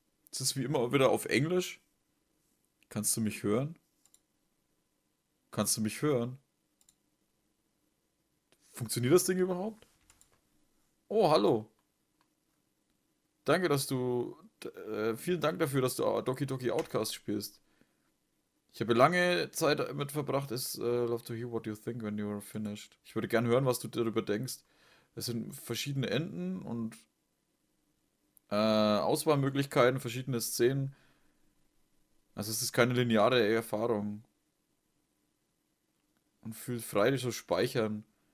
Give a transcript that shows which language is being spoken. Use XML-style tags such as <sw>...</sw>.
<de>Es ist wie immer wieder auf Englisch. Kannst du mich hören? Kannst du mich hören? Funktioniert das Ding überhaupt? Oh, hallo. Danke, dass du. Vielen Dank dafür, dass du Doki Doki Outcast spielst. Ich habe lange Zeit damit verbracht.</de> <en>Love to hear what you think when you are finished.</en> <de>Ich würde gerne hören, was du darüber denkst. Es sind verschiedene Enden und Auswahlmöglichkeiten, verschiedene Szenen. Also es ist keine lineare Erfahrung. Und fühlt frei, dich zu speichern.</de>